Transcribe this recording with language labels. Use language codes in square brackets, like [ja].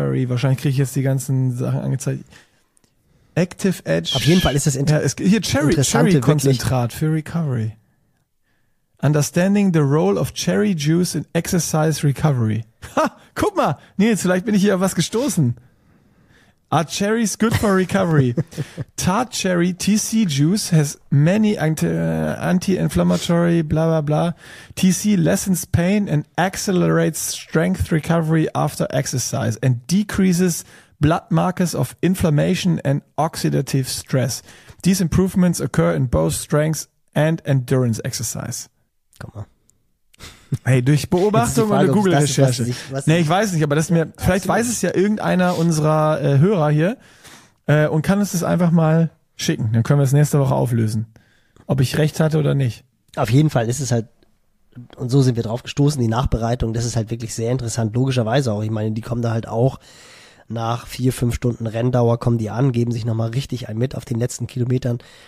[de] Wahrscheinlich kriege ich jetzt die ganzen Sachen angezeigt. [en] Active Edge. [de] Auf jeden Fall ist das interessant. Hier, Cherry-Konzentrat für Recovery. [en] Understanding the role of cherry juice in exercise recovery. [de] Ha, guck mal, Nils, vielleicht bin ich hier auf was gestoßen. [en] Are cherries good for recovery? Tart cherry TC juice has many anti-inflammatory blah blah blah. TC lessens pain and accelerates strength recovery after exercise and decreases blood markers of inflammation and oxidative stress. These improvements occur in both strength and endurance exercise. [de] Guck mal. Hey, durch Beobachtung oder Google-Recherche. Nee, ich weiß nicht, aber das ist mir, vielleicht weiß es ja irgendeiner unserer Hörer hier und kann uns das einfach mal schicken. Dann können wir es nächste Woche auflösen, ob ich recht hatte oder nicht. Auf jeden Fall ist es halt, und so sind wir drauf gestoßen, die Nachbereitung, das ist halt wirklich sehr interessant, logischerweise auch. Ich meine, die kommen da halt auch nach 4-5 Stunden Renndauer, kommen die an, geben sich nochmal richtig ein mit auf den letzten Kilometern.